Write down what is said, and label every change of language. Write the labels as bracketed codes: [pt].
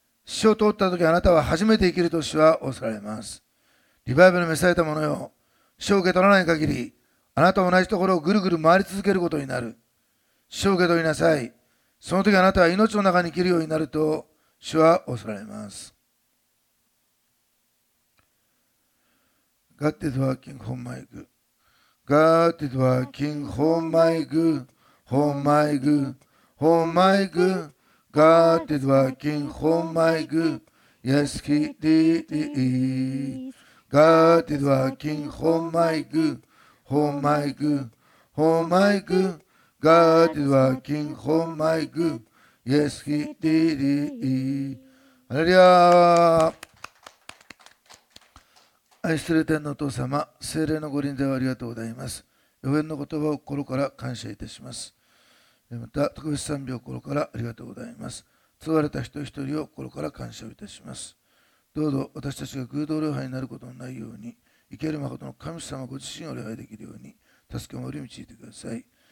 [ja] 死を通った時あなたは初めて生きると主は仰せられます。リバイバルに召された者よ、死を受け取らない限り、あなたは同じところをぐるぐる回り続けることになる。死を受け取りなさい。その時あなたは命の中に生きるようになると主は仰せられます。 [en] God is working for my goodGod is working for my good, for my good, for my good.God is working for my good.Yes, he did.God is working for my good, for my good, for my good.God is working for my good.Yes, he did. [ja] ハレルヤー。愛する天のお父様、聖霊のご臨在をありがとうございます。予言の言葉を心から感謝いたします。また特別賛美を心からありがとうございます。救われた人一人を心から感謝いたします。どうぞ私たちが偶像礼拝になることのないように、生ける誠の神様ご自身を礼拝できるように助けを守り導いてください。